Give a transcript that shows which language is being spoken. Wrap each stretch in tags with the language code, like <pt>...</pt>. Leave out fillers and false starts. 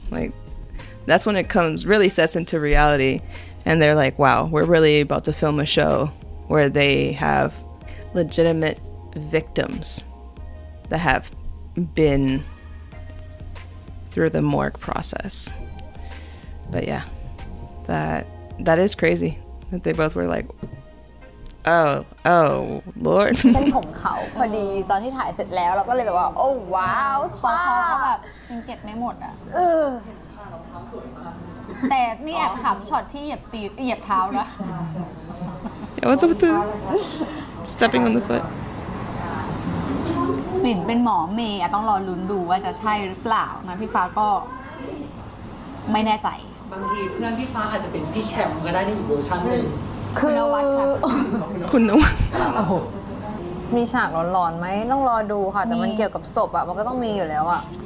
<en>Like, that's when it comes, really sets into reality, and they're like, wow, we're really about to film a show where they have legitimate victims that have been through the morgue process. But yeah, that is crazy that they both were like, oh Lord.</en> <th>เส้นผมเขาพอดีตอนที่ถ่ายเสร็จแล้วเราก็เลยแบบว่า</th> <en>oh wow</en> <th>เขาแบบยังเก็บไม่หมดอ่ะแต่นี่แอบขำช็อตที่เหยียบเท้านะ</th> <en>Yeah, what's up with the stepping on the foot?</en> <th>หลินเป็นหมอเมย์ต้องรอลุ้นดูว่าจะใช่หรือเปล่านะพี่ฟ้าก็ไม่แน่ใจ บางทีเพื่อนพี่ฟ้าอาจจะเป็นพี่แชมป์ก็ได้ที่อยู่เวอร์ชันนึง คือ คุณนวัด มีฉากร้อนๆไหมต้องรอดูค่ะแต่มันเกี่ยวกับศพอ่ะมันก็ต้องมีอยู่แล้วอ่ะ</th>